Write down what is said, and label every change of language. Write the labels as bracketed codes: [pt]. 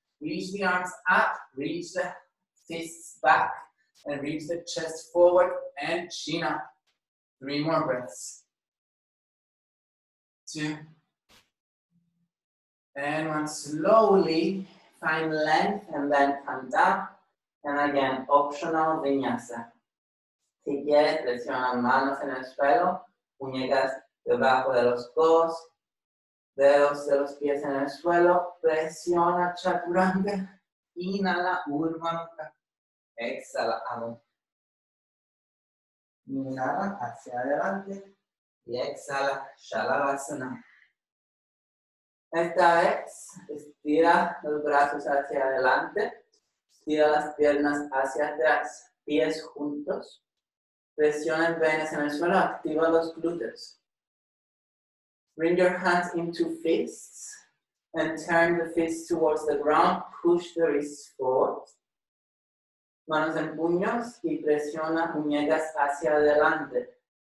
[en] Reach the arms up, reach the fists back, and reach the chest forward and chin up. Three more breaths. Two. And one, slowly find length and then come down. And again, optional vinyasa. [es] Si quieres, presiona manos en el suelo, muñecas debajo de los codos, dedos de los pies en el suelo, presiona chaturanga, inhala, urma, exhala, amo. Inhala, hacia adelante, y exhala, shalabhasana. Esta vez, estira los brazos hacia adelante, estira las piernas hacia atrás, pies juntos, presiona el venas en el suelo, activa los glúteos. [en] Bring your hands into fists and turn the fists towards the ground. Push the wrists forward. [es] Manos en puños y presiona muñecas hacia adelante.